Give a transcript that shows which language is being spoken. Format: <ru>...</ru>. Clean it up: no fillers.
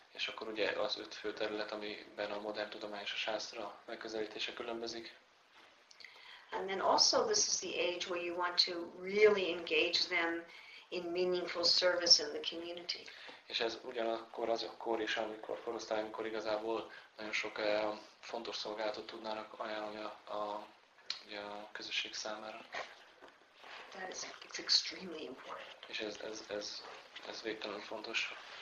<hu>És akkor ugye az öt fő terület, amiben a modern tudomány és a Shastra megközelítése különbözik.</hu> <en>And then also this is the age where you want to really engage them in meaningful service in the community.</en> <hu>És ez ugyanakkor az a kor is, amikor korosztály, amikor igazából nagyon sok fontos szolgálatot tudnának ajánlani a közösség számára.</hu> <en>That is, it's extremely important.</en> <hu>És ez végtelenül fontos.</hu>